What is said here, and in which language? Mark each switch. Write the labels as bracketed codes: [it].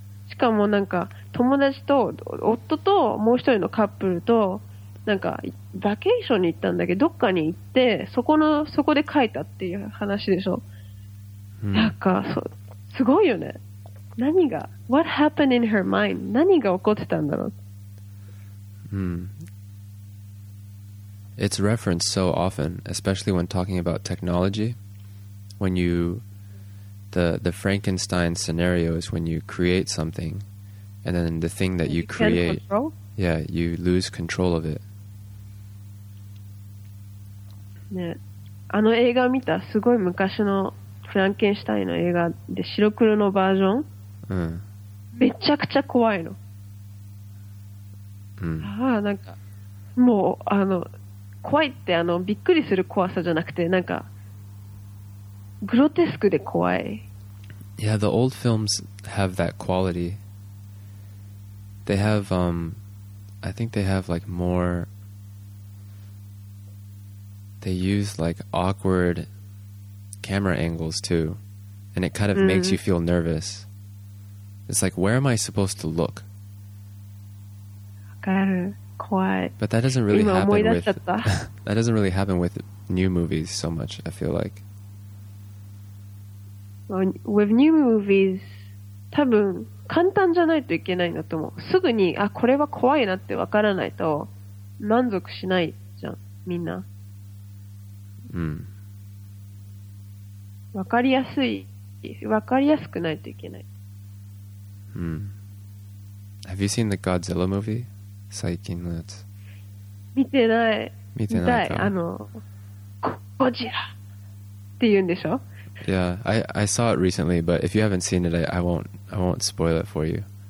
[ja] しかもなんか友達と夫ともう一人のカップルとなんかバケーションに行ったんだけどどっかに行ってそこで書いたっていう話でしょ、なんかすごいよね。何が [en] What happened in her mind? [ja] 何が起こってたんだろう。 [en] It's referenced so often, especially when talking about technology. When you the Frankenstein scenario is when you create something and then the thing that you create yeah, you lose control of it [ja] ね、あの映画見た、すごい昔のフランケンシュタインの映画で白黒のバージョン、めちゃくちゃ怖いの、ああなんかもうあの怖いってあのびっくりする怖さじゃなくてなんかグロテスクで怖い。 [en] Yeah, the old films have that quality. They have I think they have like moreThey use like awkward camera angles too, and it kind of makes you feel nervous. It's like, where am I supposed to look? But that doesn't really happen with that doesn't really happen with new movies so much. I feel like with new movies, [ja] 多分簡単じゃないといけないんだと思う。すぐにあこれは怖いなってわからないと満足しないじゃんみんな。わかりやすい、わかりやすくないといけない。 [en] Have you seen the Godzilla movie? [ja] 最近のやつ。見てない。見てないか。あの、ゴジラって言うんでしょ？ [en] Yeah, I saw it recently, but if you haven't seen it, I won't spoil it for you.